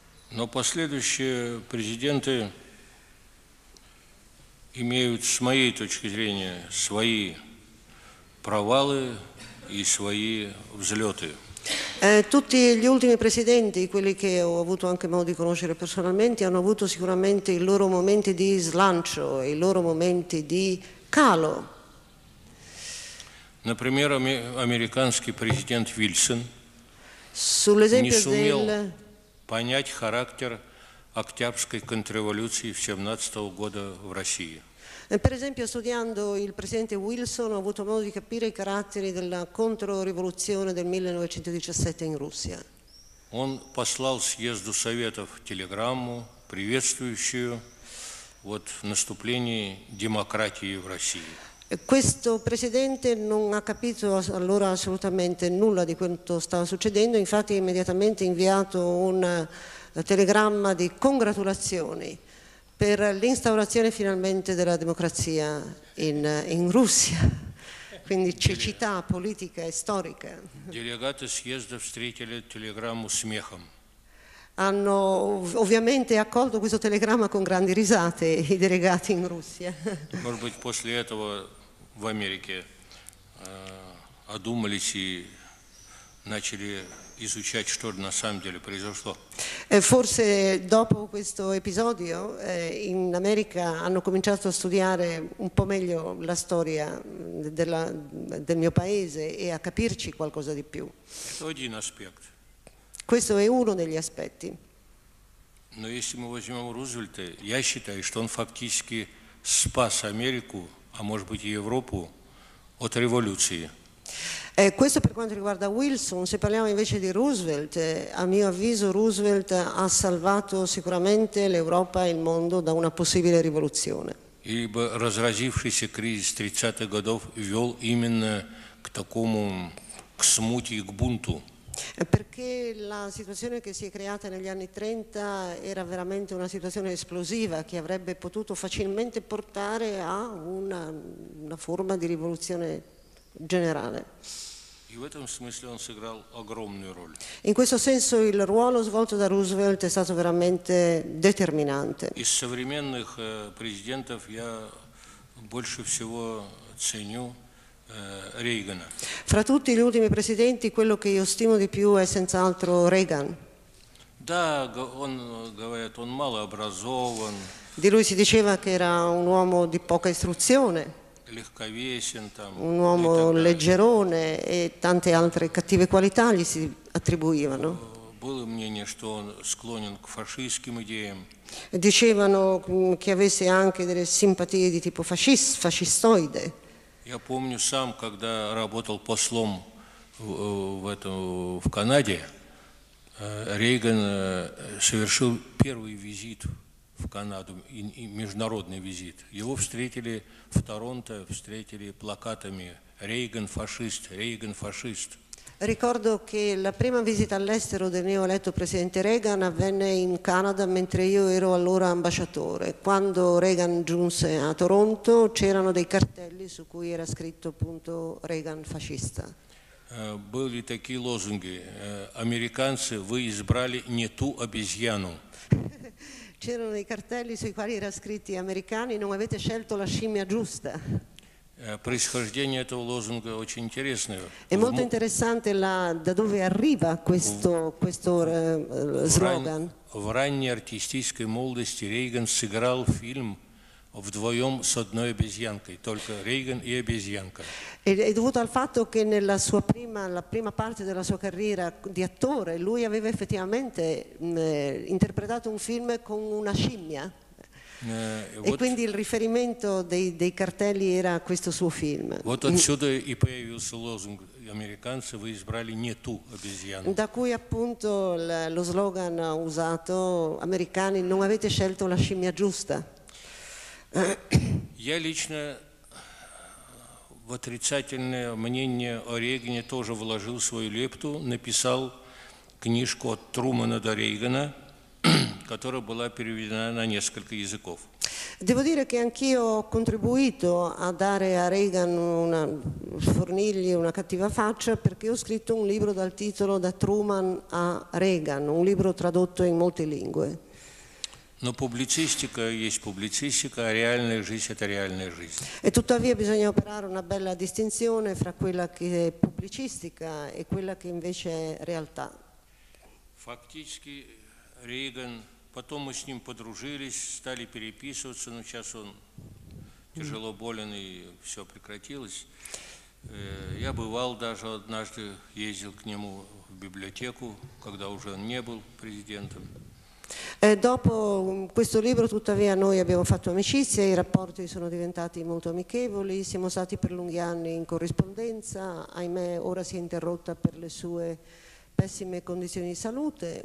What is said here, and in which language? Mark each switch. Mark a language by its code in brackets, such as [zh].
[ru] Но последующие президенты имеют, с моей точки зрения, свои провалы и свои взлеты. [it] Tutti gli ultimi presidenti, quelli che ho avuto anche modo di conoscere personalmente, hanno avuto sicuramente i loro momenti di slancio, i loro momenti di calo. [ru] Например, американский президент Вильсон [it] sull'esempio [ru] не сумел [it] del... [ru] понять характер Октябрьской контрреволюции 17-го года в России. [it] Per esempio, studiando il presidente Wilson, ho avuto modo di capire i caratteri della controrivoluzione del 1917 in Russia. [ru] Он послал съезду советов телеграмму, приветствующую вот наступление демократии в России. [it] Questo presidente non ha capito allora assolutamente nulla di quanto stava succedendo, infatti ha immediatamente inviato un telegramma di congratulazioni per l'instaurazione finalmente della democrazia in Russia, quindi cecità politica e storica. [ru] Делегаты съезда встретили телеграмму смехом. [it] Hanno ovviamente accolto questo telegramma con grandi risate i delegati in Russia. [ru] Может быть, после этого в Америке одумались и начали изучать, что на самом деле произошло. [it] Forse dopo questo episodio in America hanno cominciato a studiare un po' meglio la storia del mio paese e a capirci qualcosa di più. [ru] Один аспект. [it] Questo è uno degli aspetti. [ru] Но если мы возьмем Рузвельта, я считаю, что он фактически спас Америку, а может быть и Европу, от революции. [it] Questo per quanto riguarda Wilson. Se parliamo invece di Roosevelt, a mio avviso Roosevelt ha salvato sicuramente l'Europa e il mondo da una possibile rivoluzione. [ru] Ибо разразившийся кризис 30-х годов вел именно к такому, к смуте и к бунту. [it] Perché la situazione che si è creata negli anni 30 era veramente una situazione esplosiva che avrebbe potuto facilmente portare a una forma di rivoluzione generale. [ru] И в этом смысле он сыграл огромную роль. [it] In questo senso il ruolo svolto da Roosevelt è stato veramente determinante. [ru] Из современных президентов я больше всего ценю Рейгана. [it] Fra tutti gli ultimi presidenti, quello che io stimo di più è senz'altro Reagan. [ru] Да, он говорят, он мало образован. [it] Di lui si diceva che era un uomo di poca istruzione. [ru] Легковесен, там, [it] un uomo и leggerone e tante altre cattive qualità gli si attribuivano. [ru] Было мнение, что он склонен к фашистским идеям. [it] Dicevano che avesse anche delle simpatie di tipo fascistoide. [ru] Я помню сам, когда работал послом в Канаде, Рейган совершил первый визит в Канаду, и международный визит. Его встретили в Торонто, встретили плакатами «Рейган фашист», «Рейган фашист». [it] Ricordo che la prima visita all'estero del neo eletto presidente Reagan avvenne in Canada mentre io ero allora ambasciatore. Quando Reagan giunse a Toronto c'erano dei cartelli su cui era scritto appunto Reagan fascista. [ru] Были такие лозунги: американцы, вы избрали не ту обезьяну. [it] C'erano dei cartelli sui quali era scritto: americani, non avete scelto la scimmia giusta. [ru] Происхождение этого лозунга очень интересное. [it] È molto interessante da dove arriva questo slogan. [ru] В ранней артистической молодости Рейган сыграл фильм вдвоем с одной обезьянкой, только Рейган и обезьянка. [it] È dovuto al fatto che nella sua la prima parte della sua carriera di attore lui aveva effettivamente interpretato un film con una scimmia. E quindi il riferimento dei cartelli era questo suo film. [ru] Вот отсюда и появился лозунг: американцы, вы избрали не ту обезьяну. [it] Da cui appunto lo slogan usato: americani, non avete scelto la scimmia giusta. [ru] Я лично в отрицательное мнение о Рейгане тоже вложил свою лепту, написал книжку от Трумана до Рейгана, которая была переведена на несколько языков. [it] Devo dire che anch'io ho contribuito a dare a Reagan fornirgli una cattiva faccia, perché ho scritto un libro dal titolo Da Truman a Reagan, un libro tradotto in molte lingue. [ru] Но публицистика есть публицистика, а реальная жизнь – это реальная жизнь. [it] E tuttavia bisogna operare una bella distinzione fra quella che è pubblicistica e quella che invece è realtà. [ru] Фактически Рейган, потом мы с ним подружились, стали переписываться, но сейчас он тяжело болен и все прекратилось. Я бывал даже однажды, ездил к нему в библиотеку, когда уже он не был президентом. [it] Dopo questo libro tuttavia noi abbiamo fatto amicizia, i rapporti sono diventati molto amichevoli, siamo stati per lunghi anni in corrispondenza, ahimè ora si è interrotta per le sue pessime condizioni di salute.